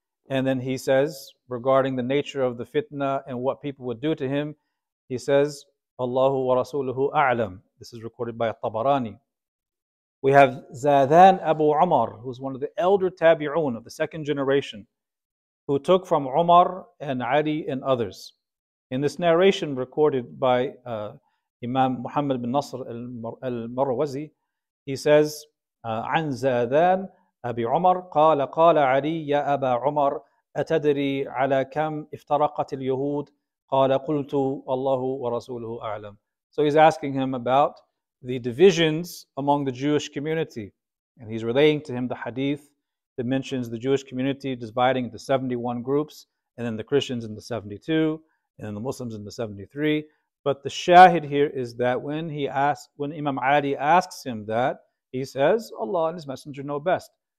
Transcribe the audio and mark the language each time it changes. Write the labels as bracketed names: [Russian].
[English] And then he says, regarding the nature of the fitna and what people would do to him, he says, [Arabic] Allahu wa rasuluhu a'lam. [English] This is recorded by At-Tabarani. We have Zadan Abu Umar, who's one of the elder tabi'un of the second generation, who took from Umar and Ali and others. In this narration recorded by Imam Muhammad bin Nasr al-Marwazi, he says, [Arabic] عن زادان أبي عمر قال قال علي يا أبا عمر أتدري على كم افترقت اليهود قال قلت الله ورسوله أعلم. [English] So he's asking him about the divisions among the Jewish community, and he's relaying to him the hadith that mentions the Jewish community dividing into 71 groups, and then the Christians in the 72, and then the Muslims in the 73. But the shahid here is that when Imam Ali asks him that, he says, Allah and His Messenger know best.